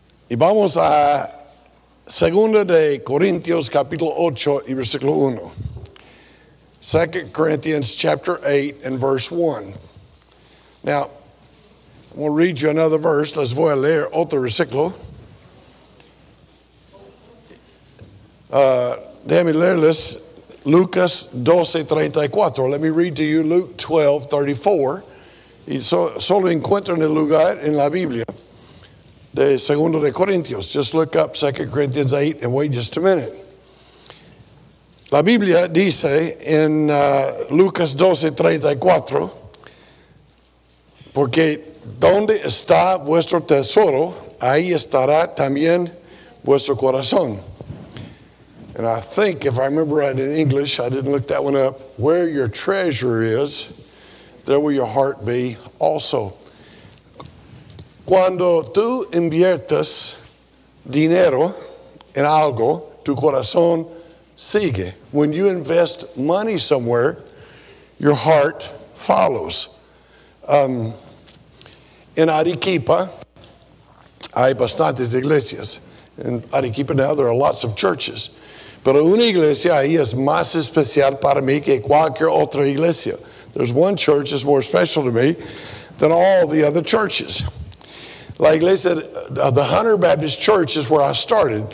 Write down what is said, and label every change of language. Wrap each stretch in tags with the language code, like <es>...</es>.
<es>Y vamos a Segunda de Corintios, capítulo 8 y versículo 1.</es> <en>2 Corinthians chapter 8 and verse 1. Now, I'm going to read you another verse.</en> <es>Les voy a leer otro versículo. Déjame leerles Lucas 12:34.</es> <en>Let me read to you Luke 12:34.</en> <es>Solo encuentran el lugar en la Biblia de Segundo de Corintios.</es> <en>Just look up 2 Corinthians 8 and wait just a minute.</en> <es>La Biblia dice en Lucas 12:34, porque donde está vuestro tesoro, ahí estará también vuestro corazón.</es> <en>And I think, if I remember right in English, I didn't look that one up, where your treasure is, there will your heart be also.</en> <es>Cuando tú inviertes dinero en algo, tu corazón sigue.</es> <en>When you invest money somewhere, your heart follows.</en> <es>In Arequipa, hay bastantes iglesias.</es> <en>In Arequipa now, there are lots of churches.</en> <es>Pero una iglesia ahí es más especial para mí que cualquier otra iglesia.</es> <en>There's one church that's more special to me than all the other churches.</en> <es>La iglesia,</es> <en>the Hunter Baptist Church is where I started.</en>